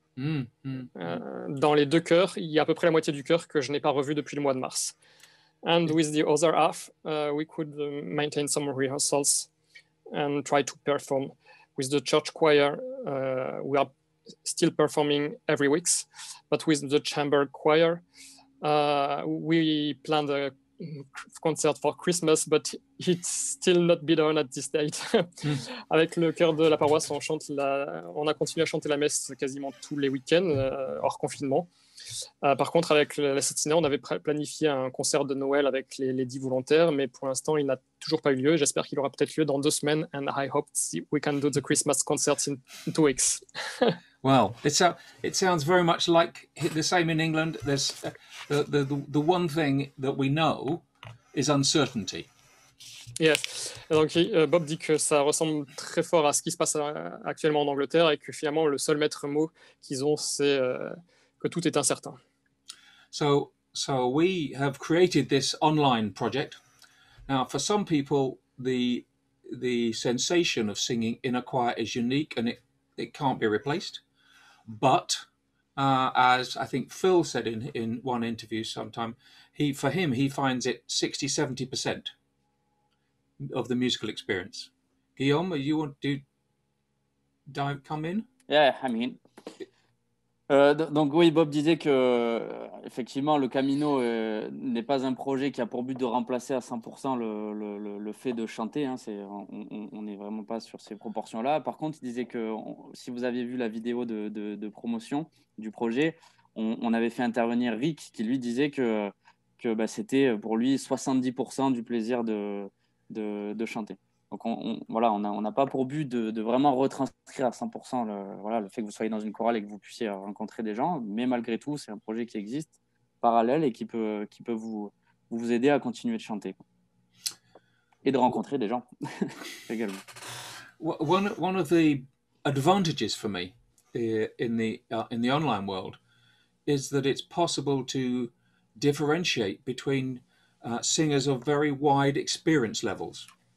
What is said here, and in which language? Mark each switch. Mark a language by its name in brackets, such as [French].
[French] Dans les deux chœurs, il y a à peu près la moitié du chœur que je n'ai pas revu depuis le mois de mars. [English] And with the other half, we could maintain some rehearsals and try to perform. With the church choir, we are still performing every week, but with the chamber choir, we planned a concert for Christmas, but it's still not be done at this date. [French] Avec le chœur de la paroisse, on a continué à chanter la messe quasiment tous les week-ends, hors confinement. Par contre, avec la Sétina, on avait planifié un concert de Noël avec les 10 volontaires, mais pour l'instant, il n'a toujours pas eu lieu. J'espère qu'il aura peut-être lieu dans 2 semaines, [English] and I hope we can do the Christmas concert in 2 weeks. Well, it sounds very much like the same in England. There's the one thing that we know is uncertainty. Yes. [French] Donc Bob dit que ça ressemble très fort à ce qui se passe actuellement en Angleterre et que finalement le seul maître mot qu'ils ont c'est que tout est incertain. [English] So we have created this online project. Now for some people the sensation of singing in a choir is unique and it can't be replaced. But as I think Phil said in one interview sometime, he finds it 60-70% of the musical experience. Guillaume, you want to come in? Yeah, I mean. [French] Donc oui, Bob disait que effectivement le Camino n'est pas un projet qui a pour but de remplacer à 100% le fait de chanter. Hein, on n'est vraiment pas sur ces proportions-là. Par contre, il disait que si vous aviez vu la vidéo de promotion du projet, on avait fait intervenir Rick qui lui disait que bah, c'était pour lui 70% du plaisir de chanter. Donc on n'a pas pour but de vraiment retranscrire à 100% le fait que vous soyez dans une chorale et que vous puissiez rencontrer des gens, mais malgré tout c'est un projet qui existe parallèle et qui peut vous aider à continuer de chanter et de rencontrer des gens également. [English] One of the advantages for me in the online world is that it's possible to differentiate between singers of very wide experience levels.